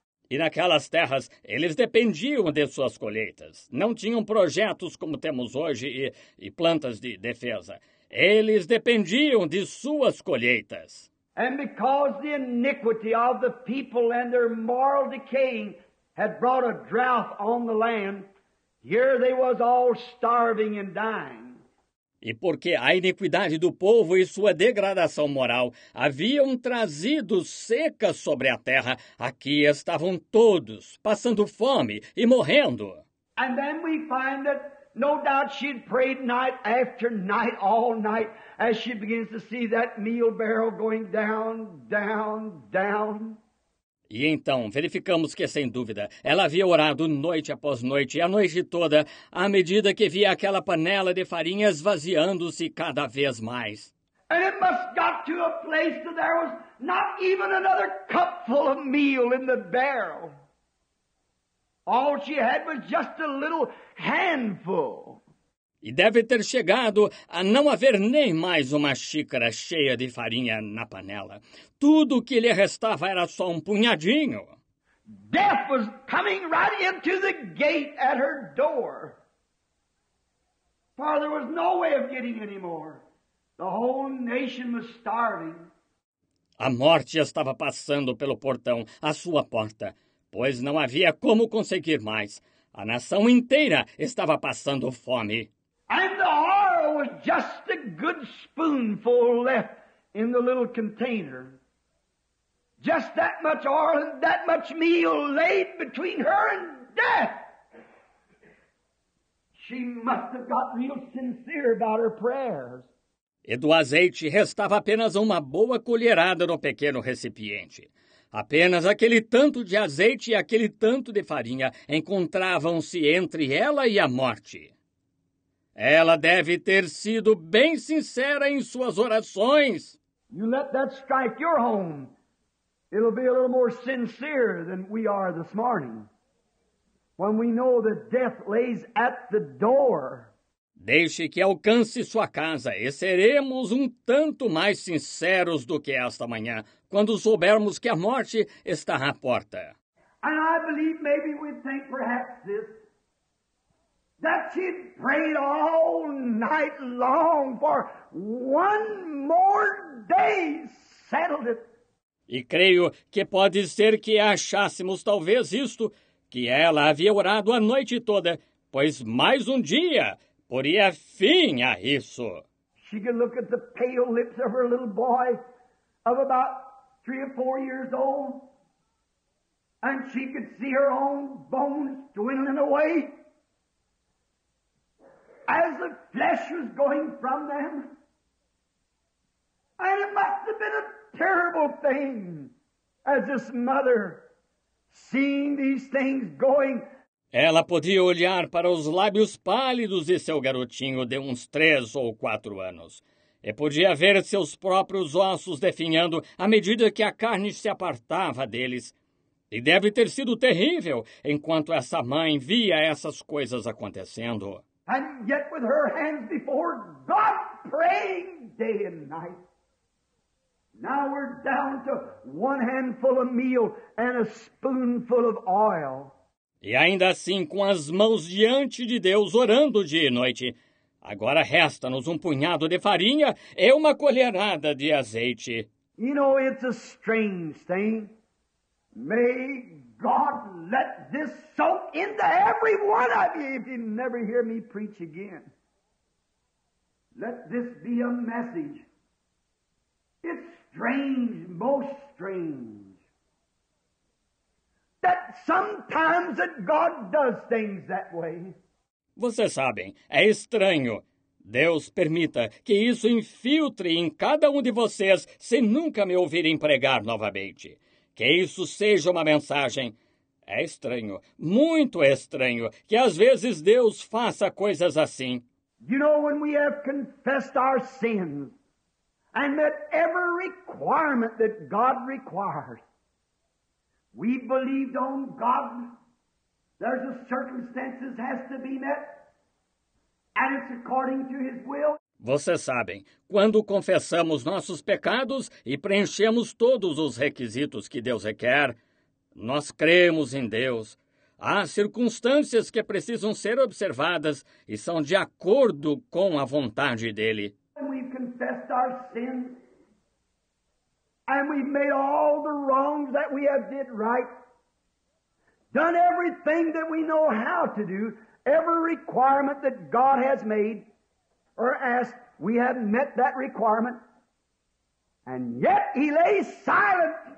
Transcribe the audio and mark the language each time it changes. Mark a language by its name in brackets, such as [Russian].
[Portuguese] E naquelas terras, eles dependiam de suas colheitas. Não tinham projetos como temos hoje e plantas de defesa. Eles dependiam de suas colheitas. [English] And because the iniquity of the people and their moral decaying had brought a drought on the land, here they was all starving and dying. [Portuguese] E porque a iniquidade do povo e sua degradação moral haviam trazido seca sobre a terra, aqui estavam todos passando fome e morrendo. [English] And then we find that no doubt she'd prayed night after night, all night, as she begins to see that meal barrel going down, down, down. [Portuguese] E então, verificamos que, sem dúvida, ela havia orado noite após noite, e a noite toda, à medida que via aquela panela de farinha esvaziando-se cada vez mais. [English] And it must got to a place that there was not even another cupful of meal in the barrel. All she had was just a little handful. [Portuguese] E deve ter chegado a não haver nem mais uma xícara cheia de farinha na panela. Tudo o que lhe restava era só um punhadinho. [English] Death was coming right into the gate at her door. For there was no way of getting any more. The whole nation was starving. [Portuguese] A morte estava passando pelo portão, à sua porta, pois não havia como conseguir mais. A nação inteira estava passando fome. [English] And the horror was just a good spoonful left in the little container. Just that much oil and that much meal laid between her and death. She must have got real sincere about her prayers. [Portuguese] E do azeite restava apenas uma boa colherada no pequeno recipiente. Apenas aquele tanto de azeite e aquele tanto de farinha encontravam-se entre ela e a morte. Ela deve ter sido bem sincera em suas orações. [English] You let that strike your home. It'll be a little more sincere than we are this morning. When we know that death lays at the door. [Portuguese] Deixe que alcance sua casa e seremos um tanto mais sinceros do que esta manhã, quando soubermos que a morte está à porta. [English] And I believe maybe we think perhaps this. That she'd prayed all night long for one more day settled it. [Portuguese] E creio que pode ser que achássemos talvez isto, que ela havia orado a noite toda, pois mais um dia poria fim a isso. [English] She could look at the pale lips of her little boy of about 3 or 4 years old, and she could see her own bones dwindling away. As the flesh was going from them. And it must have been a terrible thing as this mother seeing these things going. [Portuguese] Ela podia olhar para os lábios pálidos de seu garotinho de uns 3 ou 4 anos. E podia ver seus próprios ossos definhando à medida que a carne se apartava deles. E deve ter sido terrível enquanto essa mãe via essas coisas acontecendo. [English] And yet with her hands before God praying day and night. Now we're down to one handful of meal and a spoonful of oil. [Portuguese] E ainda assim com as mãos diante de Deus orando dia e noite. Agora resta-nos um punhado de farinha e uma colherada de azeite. [English] You know, it's a strange thing. May God let this soak into every one of you if you never hear me preach again. Let this be a message. It's strange, most strange, that sometimes that God does things that way. [Portuguese] Vocês sabem, é estranho. Deus permita que isso infiltre em cada um de vocês se nunca me ouvirem pregar novamente. Que isso seja uma mensagem. É estranho, muito estranho, que às vezes Deus faça coisas assim. [English] You know, when we have confessed our sins and met every requirement that God requires, we believed on God, there's a circumstance that has to be met, and it's according to His will. [Portuguese] Vocês sabem, quando confessamos nossos pecados e preenchemos todos os requisitos que Deus requer, nós cremos em Deus. Há circunstâncias que precisam ser observadas e são de acordo com a vontade dEle. [English] And we've confessed our sins, and we've made all the wrongs that we have did right, done everything that we know how to do, every requirement that God has made, or asked, we have met that requirement, and yet He lays silent.